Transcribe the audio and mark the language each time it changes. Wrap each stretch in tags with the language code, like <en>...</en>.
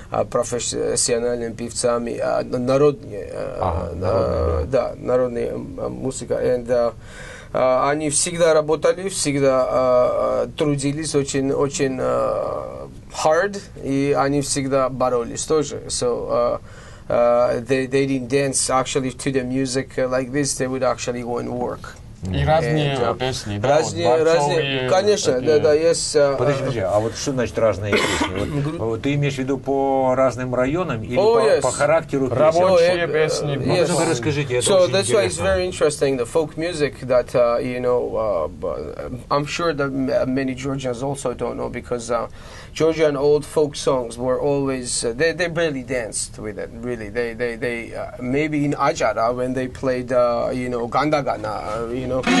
<ru>профессиональными певцами, народные, народная музыка. And, они всегда работали, всегда трудились очень, очень hard, и они всегда боролись тоже.</ru> <en>So they didn't dance actually to the music like this. They would actually go and work.</en> <ru>И разные песни, да? Разные, конечно, такие... да, есть... Подожди, а вот что значит разные песни? Вот, ты имеешь в виду по разным районам или по характеру песни? Рабочие песни. Yes. Ну, расскажите, это очень интересно.</ru> <en>So that's why it's very interesting, the folk music that, you know, I'm sure that many Georgians also don't know, because Georgian old folk songs were always, they barely danced with it, really. They maybe in Ajara, when they played, you know, Gandagana, you know.</en>